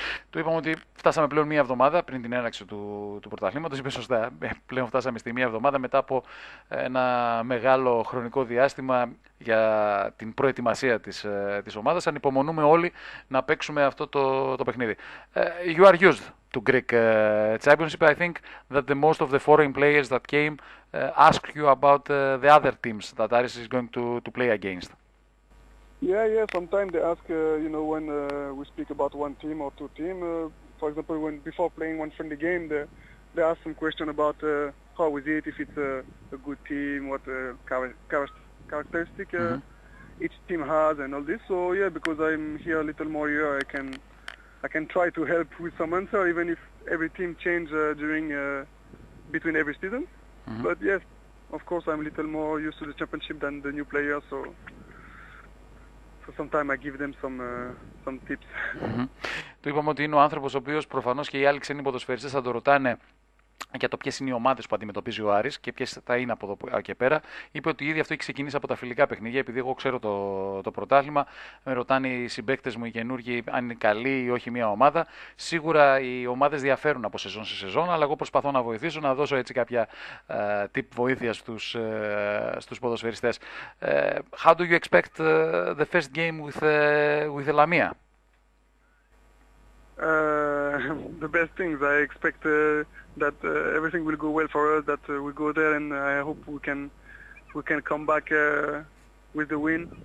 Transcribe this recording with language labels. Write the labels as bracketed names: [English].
[Greek] Του είπαμε ότι φτάσαμε πλέον μία εβδομάδα πριν την έναρξη του πρωταθλήματος. Είπε σωστά. Πλέον φτάσαμε στη μία εβδομάδα μετά από ένα μεγάλο χρονικό διάστημα για την προετοιμασία της ομάδας. Ανυπομονούμε όλοι να παίξουμε αυτό το παιχνίδι. [English] You are used to Greek Championship. I think that the most of the foreign players that came asked you about the other teams that Aris is going to play against. Yeah, sometimes they ask, when we speak about one team or two team. For example, when before playing one friendly game, they ask some question about how is it, if it's a good team, what characteristic each team has and all this. So yeah, because I'm here a little more year, I can try to help with some answer, even if every team change during between every season. But yes, of course, I'm a little more used to the championship than the new players, so. So sometimes I give them some tips. [Greek] Του είπαμε ότι είναι ο άνθρωπος ο οποίος προφανώς και οι άλλοι ξένοι ποδοσφαιριστές θα το ρωτάνε για το ποιες είναι οι ομάδες που αντιμετωπίζει ο Άρης και ποιες θα είναι από εδώ και πέρα. Είπε ότι ήδη αυτό έχει ξεκινήσει από τα φιλικά παιχνίδια, επειδή εγώ ξέρω το πρωτάθλημα. Με ρωτάνε οι συμπαίκτες μου, οι καινούργοι, αν είναι καλή ή όχι μια ομάδα. Σίγουρα οι ομάδες διαφέρουν από σεζόν σε σεζόν, αλλά εγώ προσπαθώ να βοηθήσω, να δώσω έτσι κάποια tip βοήθεια στους ποδοσφαιριστές. [English] How do you expect the first game with Λαμία? The best things. I expect that everything will go well for us. That we go there, and I hope we can come back with the win.